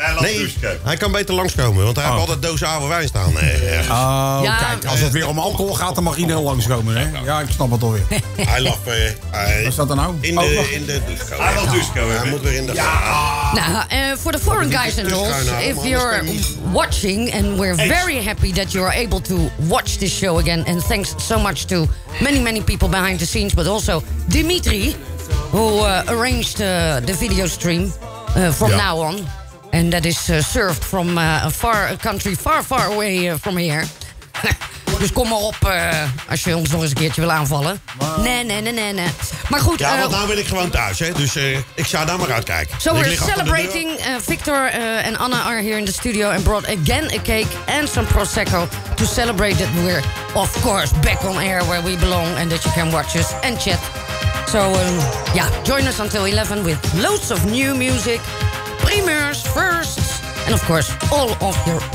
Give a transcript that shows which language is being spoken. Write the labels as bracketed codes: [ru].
[nl] Nee, hij kan beter langskomen. Want hij heeft altijd dozen oude wijn staan. Kijk, als het weer om alcohol gaat, dan mag iedereen langskomen. Hè? Ja, ik snap het alweer. Hij lag... Wat staat er nou? In de douche komen. Hij moet weer in de... Ja. Nou, voor de [en] foreign guys and girls, if you're watching... and we're very happy that you're able to watch this show again... and thanks so much to many, many people behind the scenes... but also Dimitri... who arranged the video stream from now on. And that is served from a country far away from here. [nl] Dus kom maar op als je ons nog eens een keertje wil aanvallen. Nee. Maar goed. Ja, want nou ben ik gewoon thuis, hè. Dus ik zou daar maar uitkijken. [en] So we're celebrating. Victor en Anna are here in the studio and brought again a cake and some Prosecco to celebrate that we're, of course, back on air where we belong and that you can watch us and chat. So, join us until 11 with loads of new music, primeurs, firsts, and of course, all of your requests.